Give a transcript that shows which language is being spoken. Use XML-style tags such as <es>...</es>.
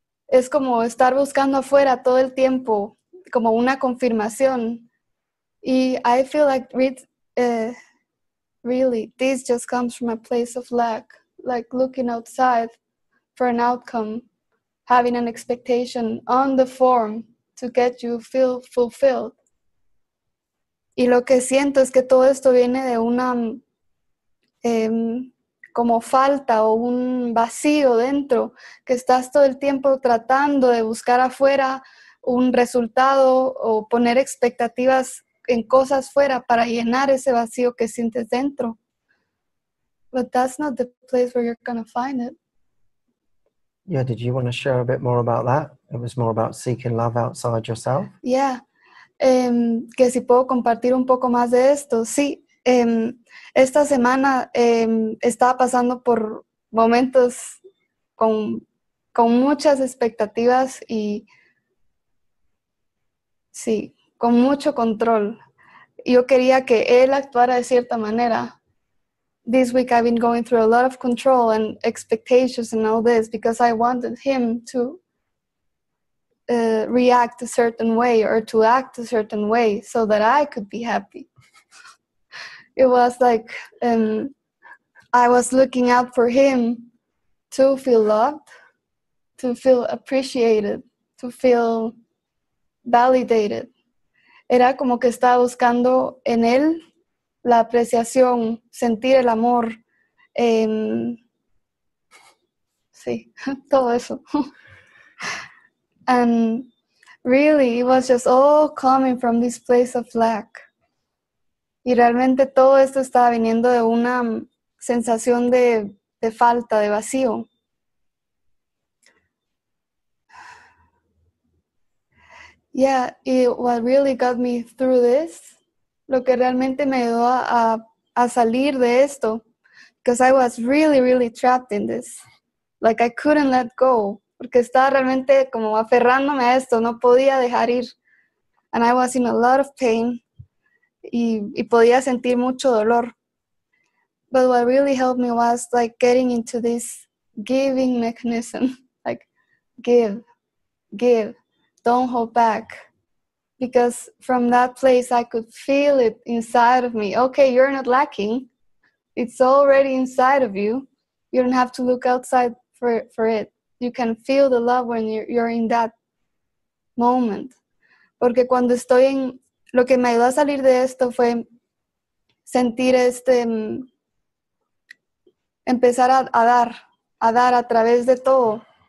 <es>Es como estar buscando afuera todo el tiempo, como una confirmación.</es> <en>Y I feel like really, this just comes from a place of lack. Like looking outside for an outcome, having an expectation on the form to get you feel fulfilled.</en> <es>Y lo que siento es que todo esto viene de una como falta o un vacío dentro, que estás todo el tiempo tratando de buscar afuera un resultado o poner expectativas en cosas fuera para llenar ese vacío que sientes dentro.</es> <en>But that's not the place where you're going to find it. Yeah, did you want to share a bit more about that? It was more about seeking love outside yourself. Yeah.</en> <es>Que si puedo compartir un poco más de esto. Sí, esta semana estaba pasando por momentos con muchas expectativas y sí, con mucho control. Yo quería que él actuara de cierta manera.</es> <en>This week I've been going through a lot of control and expectations and all this because I wanted him to react a certain way or to act a certain way so that I could be happy. It was like I was looking out for him to feel loved, to feel appreciated, to feel validated.</en> <es>Era como que estaba buscando en él la apreciación, sentir el amor, sí, todo eso.</es> <en>And really, it was just all coming from this place of lack.</en> <es>Y realmente todo esto estaba viniendo de una sensación de falta, de vacío.</es> <en>Yeah, what really got me through this,</en> <es>lo que realmente me ayudó a salir de esto,</es> <en>because I was really, really trapped in this. Like, I couldn't let go.</en> <es>Porque estaba realmente como aferrándome a esto, no podía dejar ir.</es> <en>and I was in a lot of pain,</en> <es>y podía sentir mucho dolor.</es> <en>But what really helped me was like getting into this giving mechanism, like give, don't hold back. Because from that place, I could feel it inside of me. Okay, you're not lacking. It's already inside of you. You don't have to look outside for it. You can feel the love when you're in that moment.</en> <es>Porque cuando estoy en... Lo que me ayudó a salir de esto fue sentir este... empezar a dar a través de todo.</es>